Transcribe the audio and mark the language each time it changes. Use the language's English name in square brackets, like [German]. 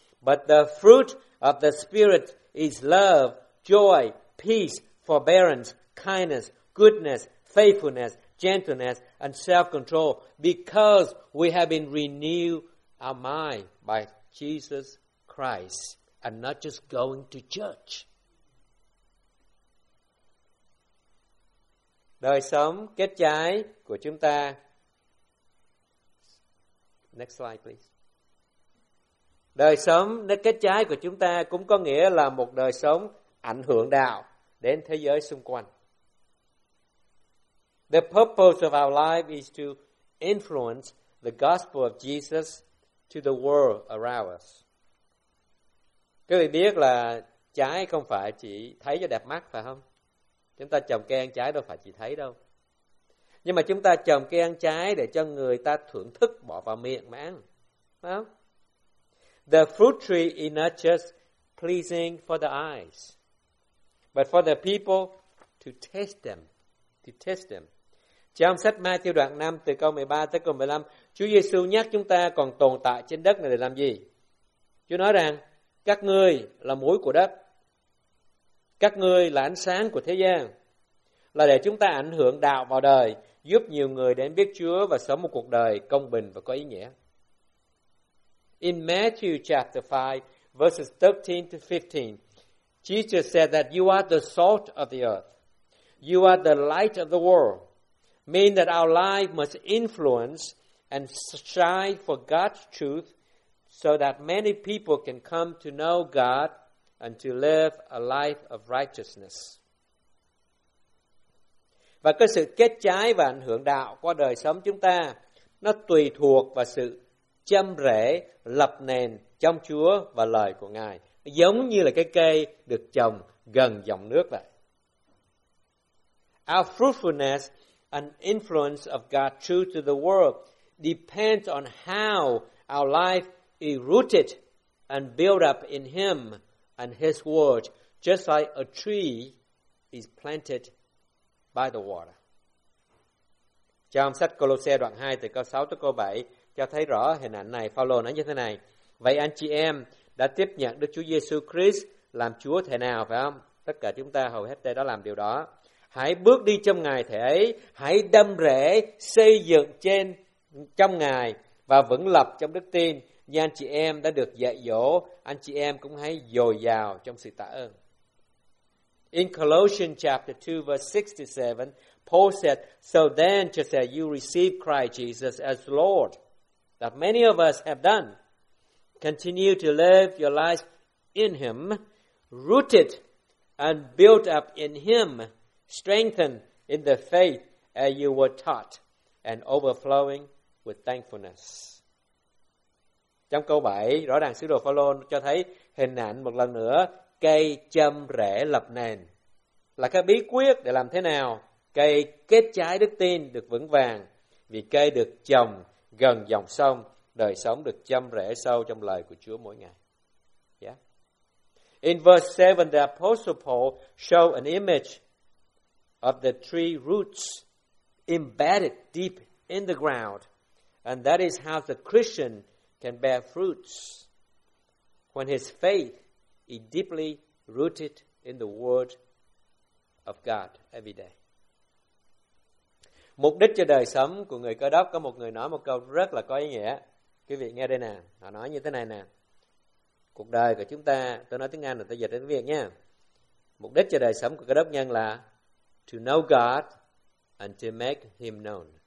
[English] but the fruit of the Spirit is love, joy, peace, forbearance, kindness, goodness, faithfulness, gentleness, and self-control, because we have been renewed our mind by Jesus Christ and not just going to church. [Vietnamese] Đời sống kết trái của chúng ta. [English] Next slide, please. [Vietnamese] Đời sống nơi kết trái của chúng ta cũng có nghĩa là một đời sống ảnh hưởng đạo đến thế giới xung quanh. [English] The purpose of our life is to influence the gospel of Jesus to the world around us. [Vietnamese] Các vị biết là trái không phải chỉ thấy cho đẹp mắt phải không? Chúng ta trồng cây ăn trái đâu phải chỉ thấy đâu. Nhưng mà chúng ta trồng cây ăn trái để cho người ta thưởng thức, bỏ vào miệng mà ăn. Phải không? [English] The fruit tree is not just pleasing for the eyes, but for the people to taste them. [Vietnamese] Trong sách Matthew đoạn 5 từ câu 13 tới câu 15, Chúa Giêsu nhắc chúng ta còn tồn tại trên đất này để làm gì? Chúa nói rằng, các ngươi là muối của đất. Các ngươi là ánh sáng của thế gian, là để chúng ta ảnh hưởng đạo vào đời, giúp nhiều người đến biết Chúa và sống một cuộc đời công bình và có ý nghĩa. [English] In Matthew chapter 5, verses 13 to 15, Jesus said that you are the salt of the earth. You are the light of the world. Mean that our life must influence and strive for God's truth so that many people can come to know God and to live a life of righteousness. [Vietnamese] Và cái sự kết trái và ảnh hưởng đạo qua đời sống chúng ta, nó tùy thuộc vào sự châm rễ, lập nền trong Chúa và lời của Ngài. Giống như là cái cây được trồng gần dòng nước vậy. [English] Our fruitfulness and influence of God's truth to the world depends on how our life is rooted and built up in Him and His word, just like a tree is planted by the water. [Vietnamese] Trong sách Colossae đoạn 2 từ câu 6 tới câu 7 cho thấy rõ hình ảnh này. Phao-lô nói như thế này: vậy anh chị em đã tiếp nhận Đức Chúa Giêsu Christ làm Chúa thế nào phải không? Tất cả chúng ta hầu hết đây đã làm điều đó. Hãy bước đi trong Ngài thể ấy, hãy đâm rễ xây dựng trên trong Ngài và vững lập trong đức tin. Như anh chị em đã được dạy dỗ, anh chị em cũng hãy dồi dào trong sự tạ ơn. [English] In Colossians chapter 2 verse 67, Paul said, so then just as you receive Christ Jesus as Lord, that many of us have done, continue to live your life in Him, rooted and built up in Him, strengthened in the faith as you were taught, and overflowing with thankfulness. [Vietnamese] Trong câu 7, rõ ràng sứ đồ Phaolô cho thấy hình ảnh một lần nữa cây châm rễ lập nền là cái bí quyết để làm thế nào cây kết trái đức tin được vững vàng, vì cây được trồng gần dòng sông, đời sống được châm rễ sâu trong lời của Chúa mỗi ngày. [English] Yeah. In verse 7, the apostle Paul show an image of the tree roots embedded deep in the ground, and that is how the Christian can bear fruits when his faith is deeply rooted in the word of God every day. [Vietnamese] Mục đích cho đời sống của người Cơ Đốc, có một người nói một câu rất là có ý nghĩa. Quý vị nghe đây nè, họ nói như thế này nè. Cuộc đời của chúng ta, tôi nói tiếng Anh rồi tôi dịch tiếng Việt nha. Mục đích cho đời sống của Cơ Đốc nhân là [English] to know God and to make him known.